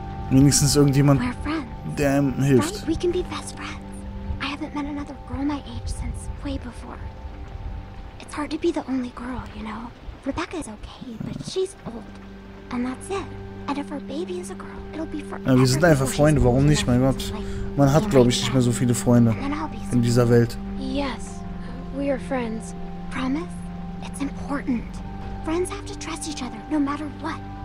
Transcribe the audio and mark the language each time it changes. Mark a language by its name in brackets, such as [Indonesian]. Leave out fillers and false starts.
[German] Wenigstens irgendjemand, der ihm hilft. [English] Right? We can be best friends. I haven't met another girl my age since way before. It's hard to be the only girl, you know? Rebecca is okay, but she's old. And that's it. And if her baby is a girl, it'll be for. [German] Ja, wir sind einfach Freunde, warum nicht? Mein Gott. Man hat, glaube ich, nicht mehr so viele Freunde in dieser Welt. [English] Yes, we are friends. Promise? It's important. Friends have to trust each other, no matter what.